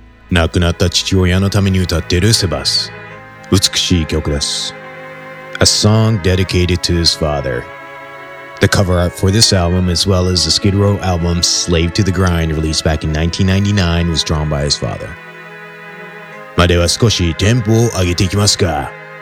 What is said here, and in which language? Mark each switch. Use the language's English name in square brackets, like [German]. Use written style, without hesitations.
[Japanese] 亡くなった父親のために歌っているセバス、美しい曲です。 [English] a song dedicated to his father. The cover art for this album, as well as the Skid Row album Slave to the Grind, released back in 1999, was drawn by his father. [Japanese] では少しテンポを上げていきますか?